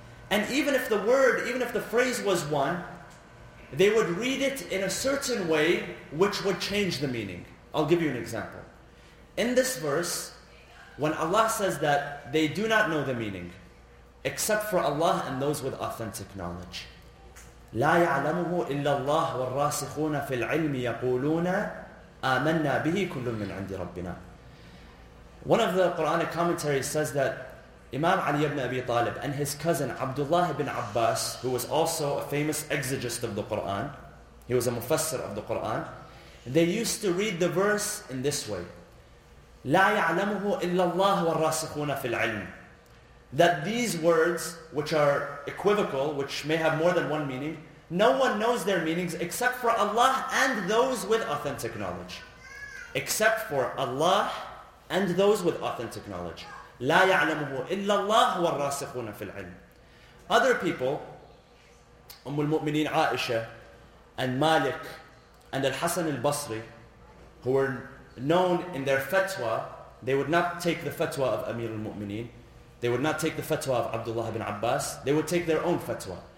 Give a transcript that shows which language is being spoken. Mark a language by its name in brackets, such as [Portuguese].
[English] And even if the word, even if the phrase was one, they would read it in a certain way which would change the meaning. I'll give you an example. In this verse, when Allah says that they do not know the meaning, except for Allah and those with authentic knowledge. [Arabic] لا يعلمه إلا الله والراسخون في العلم يقولون آمنا به كل من عند ربنا. [English] One of the Quranic commentaries says that Imam Ali ibn Abi Talib and his cousin Abdullah ibn Abbas, who was also a famous exegist of the Qur'an, he was a mufassir of the Qur'an, they used to read the verse in this way. [Arabic] لَا يَعْلَمُهُ إِلَّا اللَّهُ وَالرَّاسِخُونَ فِي الْعِلْمِ. [English] That these words, which are equivocal, which may have more than one meaning, no one knows their meanings except for Allah and those with authentic knowledge. Except for Allah and those with authentic knowledge. [Arabic] لا يعلمه إلا الله والراسخون في العلم. [English] Other people, أم المؤمنين عائشة and Malik and Al-Hasan al-Basri, who were known in their fatwa, they would not take the fatwa of Amir al-Mu'mineen, they would not take the fatwa of Abdullah ibn Abbas, they would take their own fatwa.